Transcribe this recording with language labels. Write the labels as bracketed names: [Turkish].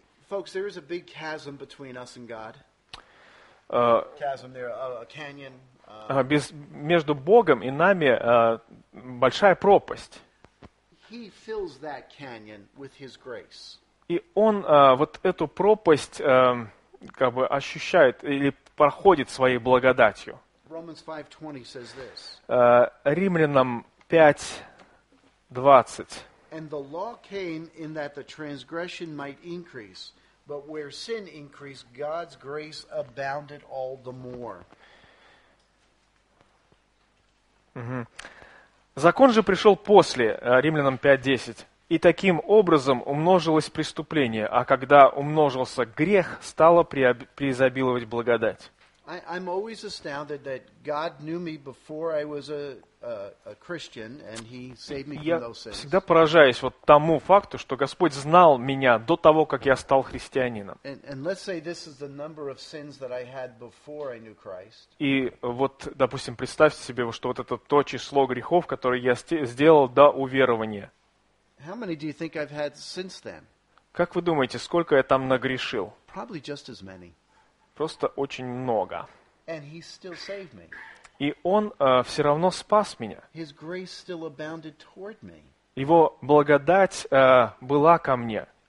[English] Folks, there is a big chasm between us and God. Chasm there, a canyon. [Russian] Между Богом и нами большая пропасть. И Он вот эту пропасть как бы ощущает или проходит своей благодатью. Римлянам 5:20. [English] And the law came in that the transgression might increase, but where sin increased, God's grace abounded all the more. [Russian] Закон же пришел после, Римлянам 5:10, и таким образом умножилось преступление, а когда умножился грех, стало преизобиловать благодать. [English] I'm always astounded that God knew me before I was a Christian, and He saved me from those sins. [Russian] Я всегда поражаюсь вот тому факту, что Господь знал меня до того, как я стал христианином. [English] And let's say this is the number of sins that I had before I knew Christ. [Russian] И вот, допустим, представьте себе, что вот это то число грехов, которые я сделал до уверования. [English] How many do you think I've had since then? [Russian] Как вы думаете, сколько я там нагрешил? [English] Probably just as many. [Russian] Просто очень много. [English] And He still saved me. [Russian] И Он все равно спас меня. Его благодать была ко мне.